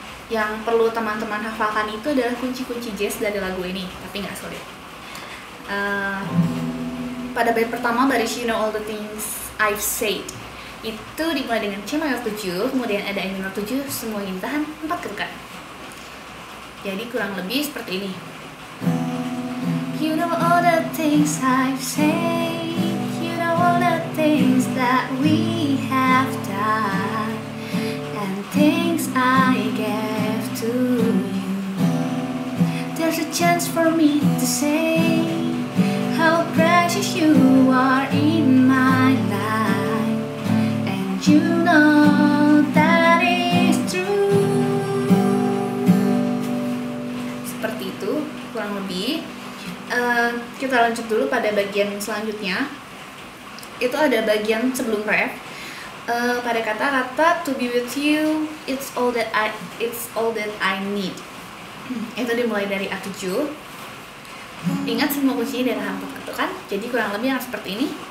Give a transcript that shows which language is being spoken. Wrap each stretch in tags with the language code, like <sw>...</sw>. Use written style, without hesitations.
<id>Yang perlu teman-teman hafalkan itu adalah kunci-kunci jazz dari lagu ini, tapi nggak sulit. Pada bait pertama, baris You Know All The Things I've Said itu dimulai dengan C mayor 7, kemudian ada E minor 7, semua ini tahan 4 ketukan. Jadi kurang lebih seperti ini.</id> <en>You know all the things I've said, you know all the things that we have done, and things I gave to you. There's a chance for me to say how precious you are in my life, and you know that is true.</en> <id>Seperti itu kurang lebih. Kita lanjut dulu pada bagian selanjutnya. Itu ada bagian sebelum ref. Pada kata-kata</id> <en>to be with you, it's all that I need.</en> <id>Itu dimulai dari A7. Ingat semua kuncinya dari hampir ketukan. Jadi kurang lebih yang seperti ini.</id>